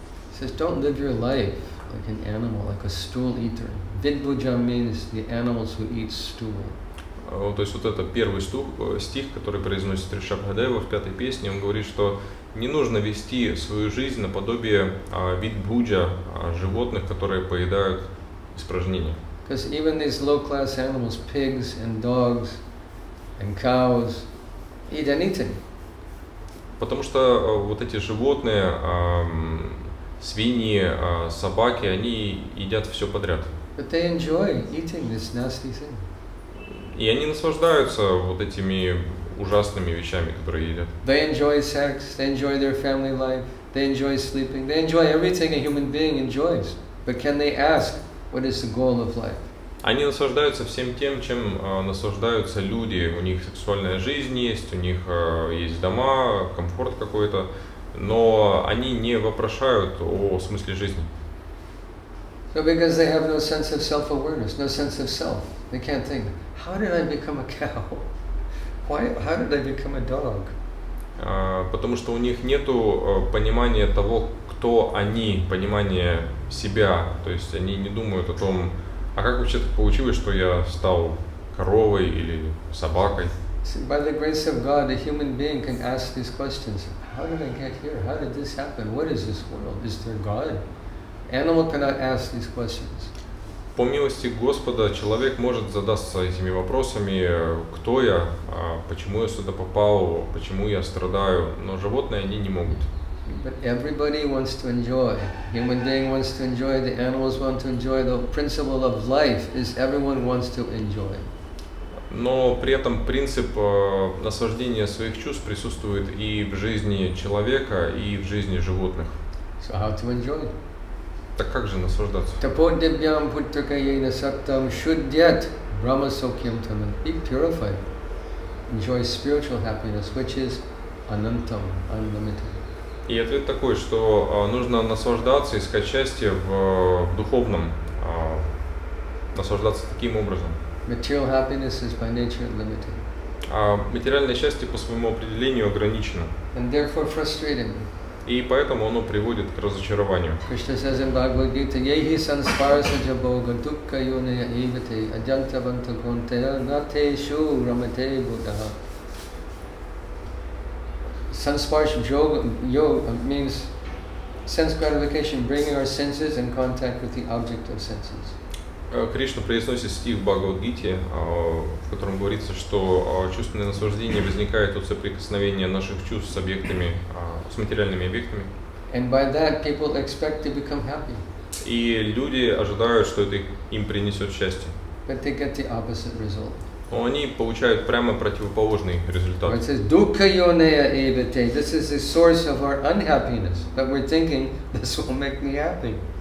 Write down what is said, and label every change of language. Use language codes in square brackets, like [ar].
[en] He says, don't live your life like an animal, like a stool eater. Vidbhujam means the animals who eat stool. [ru] То есть вот это первый стих, который произносит Ришабхадева в пятой песне, он говорит, что не нужно вести свою жизнь наподобие видбуджа, животных, которые поедают испражнения. [en] Because even these low-class animals, pigs and dogs and cows, eat anything. [ru] Потому что вот эти животные, свиньи, собаки, они едят все подряд. [en] But they enjoy eating this nasty thing. [ru] И они наслаждаются вот этими ужасными вещами, которые едят. [en] They enjoy sex, they enjoy their family life, they enjoy sleeping, they enjoy everything a human being enjoys. But can they ask, what is the goal of life? [ru] Они наслаждаются всем тем, чем наслаждаются люди. У них сексуальная жизнь есть, у них есть дома, комфорт какой-то. Но они не вопрошают о смысле жизни. [en] So because they have no sense of self-awareness, no sense of self, they can't think. How did I become a cow? Why? How did I become a dog? [ru] Потому что у них нету понимания того, кто они, понимания себя. То есть они не думают о том, а как вообще так получилось, что я стал коровой или собакой? [en] See, by the grace of God, a human being can ask these questions. How did I get here? How did this happen? What is this world? Is there God? Animal cannot ask these questions. [ru] По милости Господа, человек может задаться этими вопросами, кто я, почему я сюда попал, почему я страдаю, но животные они не могут. [en] But everybody wants to enjoy. Human being wants to enjoy, the animals want to enjoy. The principle of life is everyone wants to enjoy. [ru] Но при этом принцип наслаждения своих чувств присутствует и в жизни человека, и в жизни животных. [en] So how to enjoy? [ru] Так как же наслаждаться? [sa] Tapo dibhyam puntrika yena sattam shudyat brahma sukhyam tarantam. [en] Be purified. Enjoy spiritual happiness, which is anantam, unlimited. [ru] И ответ такой, что нужно наслаждаться, искать счастье в духовном. Наслаждаться таким образом. [en] Material happiness is by nature limited. [ru] А материальное счастье по своему определению ограничено. [en] And therefore frustrating. [ru] И поэтому оно приводит к разочарованию. [sa] Кришна [en] says in Bhagavad Gita, [sa] Yehi sansparasaja bhoga dukkha yunaya evate adyanta vanta gunteya nate shu ramate buddha. [en] Sansparasaja yoga means sense gratification, bringing our senses in contact with the object of senses. [ru] Кришна произносит стих в Бхагавад-гите, в котором говорится, что чувственное наслаждение возникает от соприкосновения наших чувств с объектами, с материальными объектами. [en] And by that people expect to become happy. [ru] И люди ожидают, что это им принесет счастье. [en] But they get the opposite result. [ru] Но они получают прямо противоположный результат. [en] It says, [sa] "Dukkha yonaya evite." [en] This is the source of our unhappiness. But we're thinking this will make me happy.